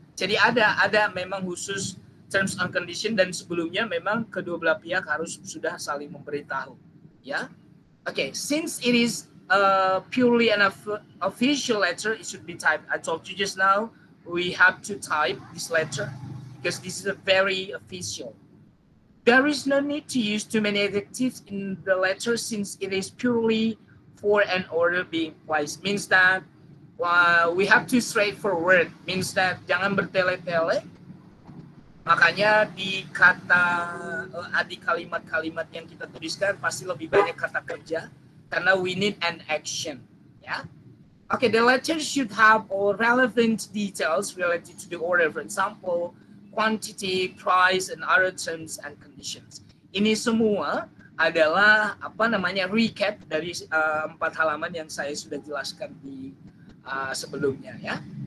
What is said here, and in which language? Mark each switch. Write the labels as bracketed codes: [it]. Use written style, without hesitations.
[id] Jadi ada memang khusus terms and condition, dan sebelumnya memang kedua belah pihak harus sudah saling memberitahu. Ya, okay. [en] Since it is purely an official letter, it should be typed. I told you just now, we have to type this letter because this is a very official. There is no need to use too many adjectives in the letter since it is purely for an order being placed. Means that we have to straightforward. Means that [id] jangan bertele-tele. Makanya di kata di kalimat-kalimat yang kita tuliskan pasti lebih banyak kata kerja karena [en] we need an action. Yeah. Okay. The letter should have all relevant details related to the order. For example, quantity, price, and other terms and conditions. [id] Ini semua adalah apa namanya recap dari empat halaman yang saya sudah jelaskan di sebelumnya ya.